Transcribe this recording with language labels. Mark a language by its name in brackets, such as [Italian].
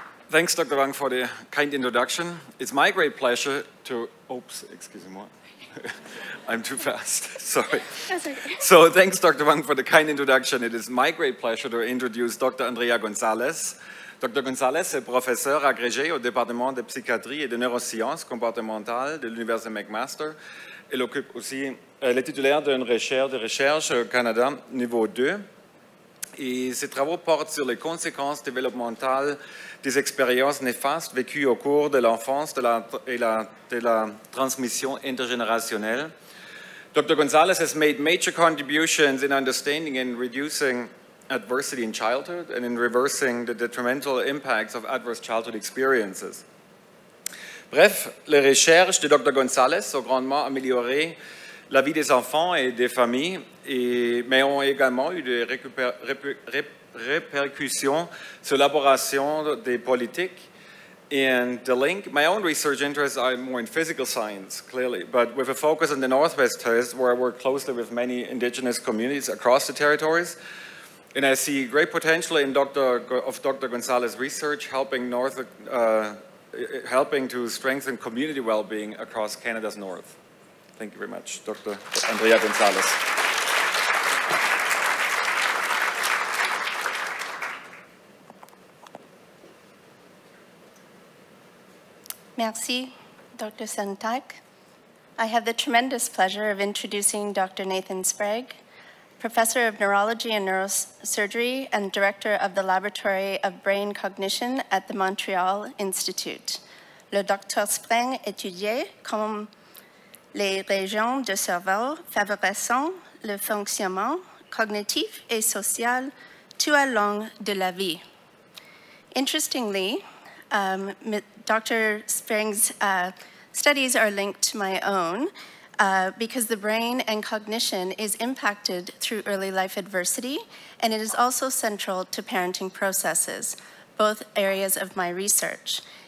[English] Thanks, Dr. Wang, for the kind introduction. It's my great pleasure to, So thanks, Dr. Wang, for the kind introduction. It is my great pleasure to introduce Dr. Andrea Gonzalez. Dr. [French] Gonzalez est professeur agrégé au département de psychiatrie et de neurosciences comportementales de l'Université McMaster. Elle occupe aussi, elle est titulaire d'une recherche de recherche au Canada niveau 2. Et ses travaux portent sur les conséquences développementales des expériences néfastes vécues au cours de l'enfance de la transmission intergénérationnelle. [English] Dr. Gonzalez has made major contributions in understanding and reducing adversity in childhood and in reversing the detrimental impacts of adverse childhood experiences. [French] Bref, les recherches de Dr. Gonzalez ont grandement amélioré la vie des enfants et des familles, mais ont également eu des répercussions sur l'élaboration des politiques. [English] And the link, my own research interests are more in physical science, clearly, but with a focus on the Northwest Coast, where I work closely with many indigenous communities across the territories. And I see great potential in Dr. Gonzalez's research, helping to strengthen community well-being across Canada's north. Thank you very much, Dr. Andrea Gonzalez. [French] Merci, Dr. Sentak. [English] I have the tremendous pleasure of introducing Dr. Nathan Sprague, Professor of Neurology and Neurosurgery and Director of the Laboratory of Brain Cognition at the Montreal Institute. [French] Le Dr. Sprague étudie comment les régions du cerveau favorisent le fonctionnement cognitif et social tout au long de la vie. [English] Interestingly, Dr. Spring's studies are linked to my own because the brain and cognition is impacted through early life adversity, and it is also central to parenting processes, both areas of my research.